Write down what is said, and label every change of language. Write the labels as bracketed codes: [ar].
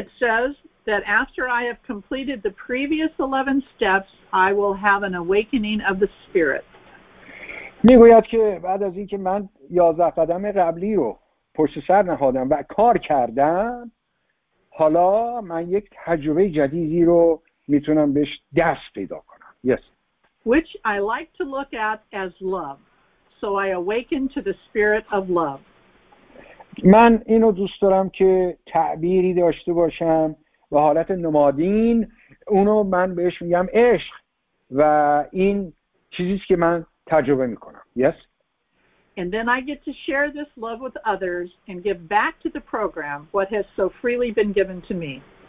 [en] It says that after I have completed the previous 11 steps, I will have an awakening of the spirit. [fa] میگوید که بعد از اینکه من 11 قدم قبلی رو پشت سر نهادم و کار کردم، حالا من یک تجربه جدیدی رو میتونم بهش دست پیدا کنم. [en] Yes. Which I like to look at as love. So I awaken to the spirit of love. [fa] من اینو دوست دارم که تعبیری داشته باشم و حالت نمادین اونو من بهش میگم عشق و این چیزیست که من تجربه میکنم. [en] Yes. And then I get to share this love with others and give back to the program what has so freely been given to me.